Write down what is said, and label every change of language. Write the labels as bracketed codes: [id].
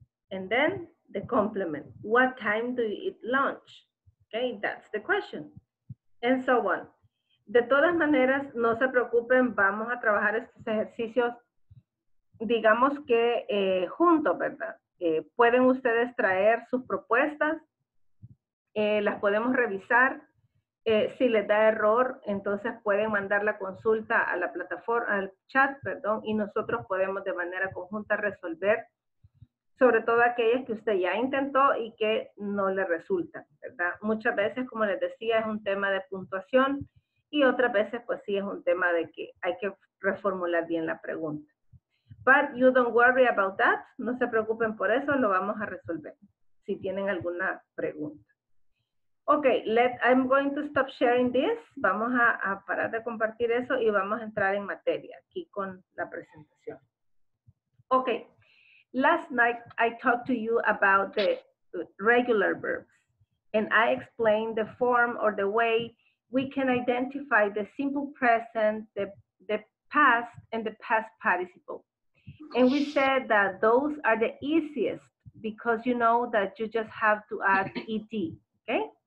[en] And then the complement, what time do you eat lunch? Okay, that's the question. And so on. [es] De todas maneras, no se preocupen, vamos a trabajar estos ejercicios, digamos que juntos, ¿verdad? Pueden ustedes traer sus propuestas, las podemos revisar. Si les da error, entonces pueden mandar la consulta a la plataforma, al chat, perdón, y nosotros podemos de manera conjunta resolver, sobre todo aquellas que usted ya intentó y que no le resulta, ¿verdad? Muchas veces, como les decía, es un tema de puntuación y otras veces, pues sí, es un tema de que hay que reformular bien la pregunta. [en] But you don't worry about that. [es] No se preocupen por eso, lo vamos a resolver si tienen alguna pregunta. [en] Ok, I'm going to stop sharing this. [es] Vamos a parar de compartir eso y vamos a entrar en materia aquí con la presentación. [en] Ok, last night I talked to you about the regular verbs and I explained the form or the way we can identify the simple present, the past, and the past participle. And we said that those are the easiest because you know that you just have to add ed, okay?